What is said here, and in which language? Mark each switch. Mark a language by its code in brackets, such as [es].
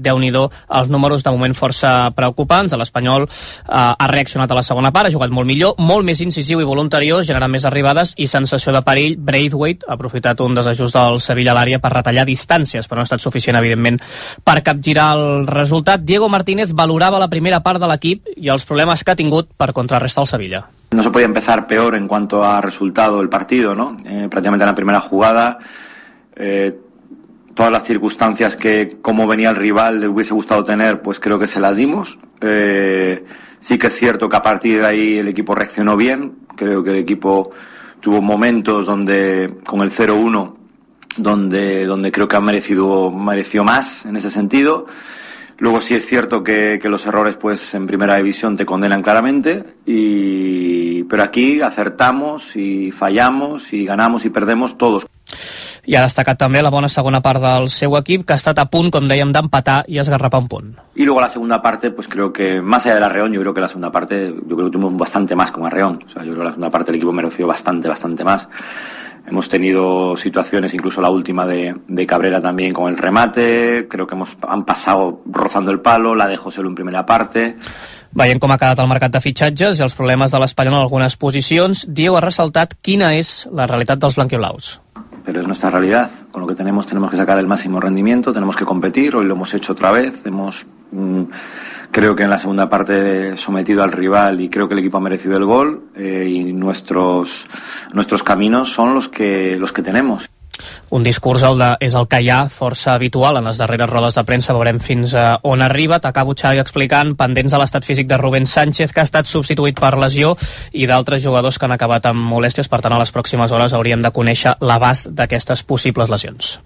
[ca] Déu-n'hi-do, els números de moment força preocupants. L'Espanyol ha reaccionat a la segona part, ha jugat molt millor, molt més incisiu i voluntariós, generant més arribades i sensació de perill. Braithwaite ha aprofitat un desajust del Sevilla a l'àrea per retallar distàncies, però no ha estat suficient, evidentment, per capgirar el resultat. Diego Martínez valorava la primera part de l'equip i els problemes que ha tingut per contrarrestar el Sevilla. [es] No se podía empezar peor en cuanto a resultado el partido, ¿no? Prácticamente en la primera jugada, todas las circunstancias que, como venía el rival, le hubiese gustado tener, pues creo que se las dimos. Sí que es cierto que a partir de ahí el equipo reaccionó bien. Creo que el equipo tuvo momentos donde, con el 0-1, donde creo que mereció más en ese sentido. Luego sí es cierto que los errores, pues, en primera división te condenan claramente, pero aquí acertamos y fallamos y ganamos y perdemos todos. [ca] I ha destacat també la bona segona part del seu equip, que ha estat a punt, com dèiem, d'empatar i esgarrapar un punt. [es] Y luego la segunda parte, pues creo que más allá de la Reón, yo creo que tuvimos bastante más con la Reón. O sea, yo creo que la segunda parte el equipo mereció bastante, bastante más. Hemos tenido situaciones, incluso la última de Cabrera también con el remate, creo que han pasado rozando el palo, la de José Lu en primera parte. [ca] Veient com ha quedat el mercat de fitxatges i els problemes de l'Espanyol en algunes posicions, Diego ha ressaltat quina és la realitat dels blanquiblaus. [es] Pero es nuestra realidad, con lo que tenemos que sacar el máximo rendimiento, tenemos que competir, hoy lo hemos hecho otra vez, hemos Creo que en la segunda parte sometido al rival y creo que el equipo ha merecido el gol y nuestros caminos son los que tenemos. [ca] Un discurs és el que hi ha força habitual en les darreres rodes de premsa, veurem fins a on arriba. T'acabo, Xavi, explicant, pendents de l'estat físic de Rubén Sánchez, que ha estat substituït per lesió, i d'altres jugadors que han acabat amb molèsties. Per tant, a les pròximes hores hauríem de conèixer l'abast d'aquestes possibles lesions.